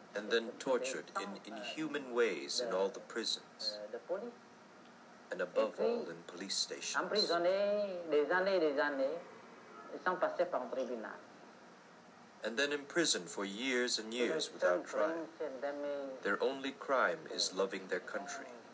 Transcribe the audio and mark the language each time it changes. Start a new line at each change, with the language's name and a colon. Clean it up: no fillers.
English: And then tortured in inhuman ways in all the prisons. And above all in police stations.
French: Emprisonnés des années et des années sans passer par un tribunal.
English: And then imprisoned for years and years without trial. Their only crime is loving their country.